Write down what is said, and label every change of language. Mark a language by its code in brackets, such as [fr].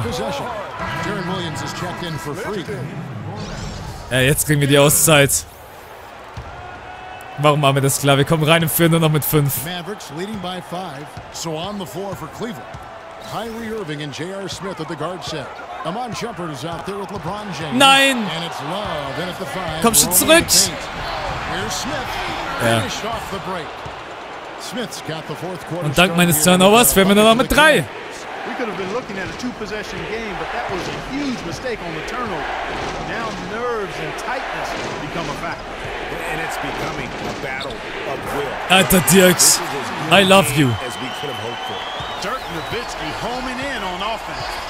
[en] Darren Williams is checked in for free. [de] Ja, jetzt kriegen wir die Auszeit. Warum machen wir das klar? Wir kommen rein und führen nur noch mit 5. [en] Mavericks leading by 5. So on the floor for Cleveland. Kyrie Irving and J.R. Smith at the guard set. Amon Shumpert is out there with LeBron James. [de] Nein. [en] And it's Love in at the 5. [de] Komm schon zurück. [en] Here's Smith. [de] Ja. [en] Finished off the break. Smith's got the fourth quarter. [de] Und dank meines Turnovers führen wir nur noch mit 3. [en] We could have been looking at a two possession game, but that was a huge mistake on the turnover. Now nerves and tightness become a factor. And it's becoming a battle of will. Alter Dirk, I love you. As we could have hoped for. Dirk Nowitzki homing in on offense.